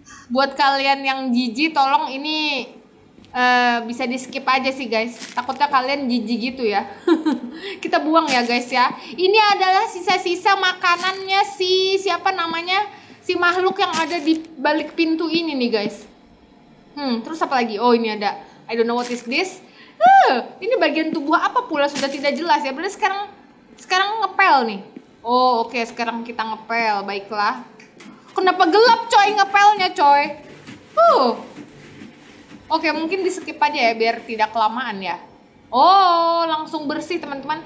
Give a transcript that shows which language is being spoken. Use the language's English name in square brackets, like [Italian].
[Indonesian] Buat kalian yang jijik, tolong ini bisa di skip aja sih guys. Takutnya kalian jijik gitu ya. Kita buang ya guys ya. Ini adalah sisa-sisa makanannya si siapa namanya, si makhluk yang ada di balik pintu ini nih guys. Terus apa lagi? [English] Oh [Indonesian] ini ada, [English] I don't know what is this. [Indonesian] Ini bagian tubuh apa pula sudah tidak jelas ya. Berarti sekarang ngepel nih. Oh oke, okay. Sekarang kita ngepel, baiklah. Kenapa gelap coy ngepelnya coy? Oke, mungkin di skip aja ya biar tidak kelamaan ya. Oh, langsung bersih teman-teman.